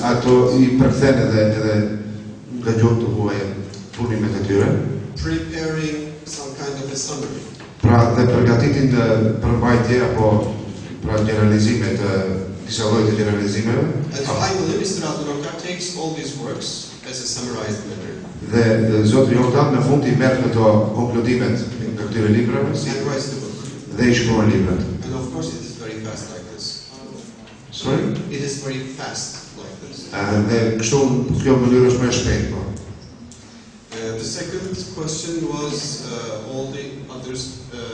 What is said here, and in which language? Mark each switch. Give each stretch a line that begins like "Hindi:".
Albanian: Ato i përkthen edhe nga gjuhën të huaj punimet e tyre.
English: Preparing some kind of a summary.
Albanian: Pra dhe përgatitin të përmbajtje apo pra generalizime të disa lloje të generalizimeve.
English: And finally, Mr. Adnan Oktay takes all these works as a summarized matter.
Albanian: Dhe zotri Oktay në fund i merr këto konkludimet nga këtyre librave
English: si and writes the book.
Albanian: Dhe i shkruan librat.
English: And of course it is very fast like this. Sorry? It is very fast like this.
Albanian: Dhe kështu kjo mënyrë është më e shpejtë. Po.
English: The second question was all the others